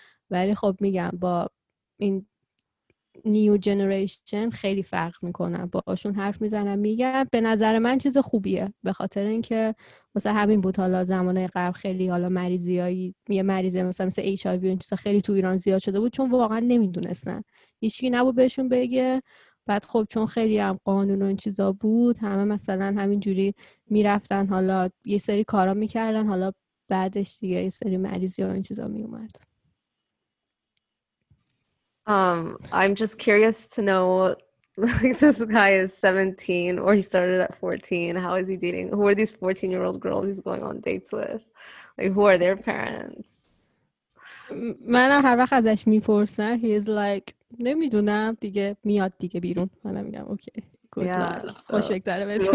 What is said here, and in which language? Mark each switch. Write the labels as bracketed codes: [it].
[fa] ولی خب میگم با این نیو جنریشن خیلی فرق میکنم، باشون حرف میزنم میگم به نظر من چیز خوبیه، به خاطر اینکه مثلا همین بود حالا زمانه قبل خیلی حالا مریضی مثلا ایچ آی وی این چیزا خیلی تو ایران زیاد شده بود، چون واقعا نمیدونستن، هیچکی نبود بهشون بگه. بعد خب چون خیلی هم قانون و این چیزا بود، همه مثلا همین جوری میرفتن حالا یه سری کارا میکردن، حالا بعدش دیگه یه سری مریضی و این چیزا میومد. [en] I'm just curious to know, like, this guy is 17 or he started at 14. How is he dating? Who are these 14-year-old girls he's going on dates with? Like, who are their parents? [fa] منم هر وقت ازش میپرسم [en] he is like [fa] نمیدونم دیگه میاد دیگه بیرون، منم میگم اوکی گود خوش بگذره بهتون،